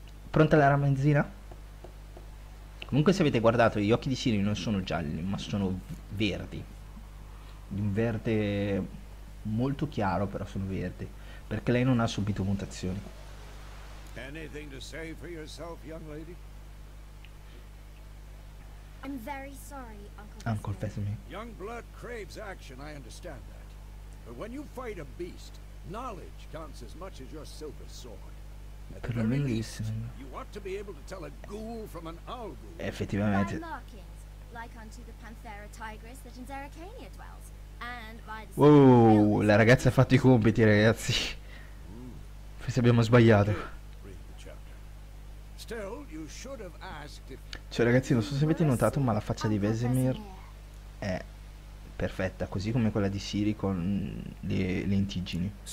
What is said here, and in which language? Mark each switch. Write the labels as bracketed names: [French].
[Italian] Pronta la ramanzina? Comunque, se avete guardato, gli occhi di Siri non sono gialli, ma sono verdi. Di un verde molto chiaro, però sono verdi. Perché lei non ha subito mutazioni. [English] Anything to say for yourself, young lady? I'm very sorry, Uncle Fesmi. Young blood craves action, I understand that. But when you fight a beast, knowledge counts as much as your silver sword. At the very least, you ought to be able to tell a ghoul from an owl ghoul. [Italian] Effettivamente. [English] By markings, like unto the panthera tigris that in Zeracania dwells. And by the... [Italian] Wow, la ragazza ha fatto i compiti, ragazzi. Forse abbiamo sbagliato. Cioè, ragazzi, non so se avete notato, ma la faccia di Vesemir è perfetta, così come quella di Siri con le lentiggini.